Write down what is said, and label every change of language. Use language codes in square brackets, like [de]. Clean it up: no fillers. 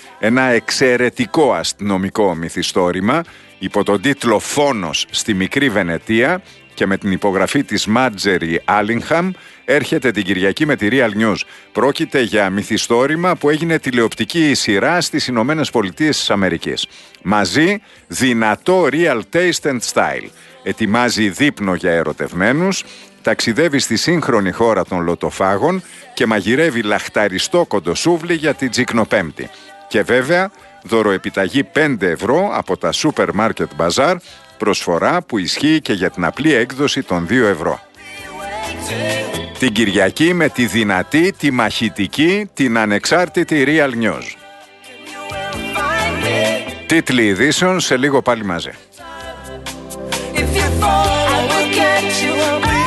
[el] Ένα εξαιρετικό αστυνομικό μυθιστόρημα υπό τον τίτλο «Φόνος στη μικρή Βενετία» και με την υπογραφή της Marjorie Allingham έρχεται την Κυριακή με τη Real News. Πρόκειται για μυθιστόρημα που έγινε τηλεοπτική σειρά στις Ηνωμένες Πολιτείες της Αμερικής. Μαζί, δυνατό Real Taste and Style. Ετοιμάζει δείπνο για ερωτευμένους, ταξιδεύει στη σύγχρονη χώρα των λωτοφάγων και μαγειρεύει λαχταριστό κοντοσούβλι για την Τσικνοπέμπτη. Και βέβαια, δωροεπιταγή 5 ευρώ από τα Supermarket Bazaar, προσφορά που ισχύει και για την απλή έκδοση των 2 ευρώ. Την Κυριακή με τη δυνατή, τη μαχητική, την ανεξάρτητη Real News. Τίτλοι ειδήσεων σε λίγο πάλι μαζί. [en] If you fall, I will get you.